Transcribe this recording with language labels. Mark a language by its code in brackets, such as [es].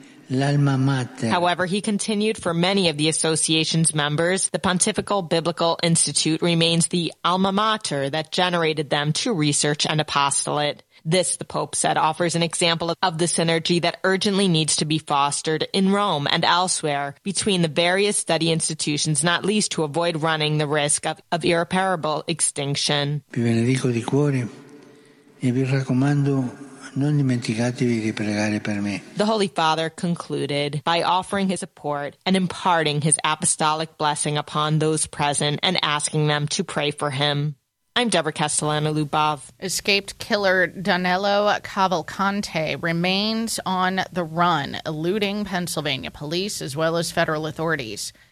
[en] However, he continued, for many of the association's members, the Pontifical Biblical Institute remains the alma mater that generated them to research and apostolate. This, the Pope said, offers an example of the synergy that urgently needs to be fostered in Rome and elsewhere between the various study institutions, not least to avoid running the risk of irreparable extinction. [it] Vi benedico di cuore e vi raccomando, non dimenticatevi di pregare per me. [en] The Holy Father concluded by offering his support and imparting his apostolic blessing upon those present and asking them to pray for him. I'm Deborah Castellano-Lubov. Escaped killer Danilo Cavalcante remains on the run, eluding Pennsylvania police as well as federal authorities.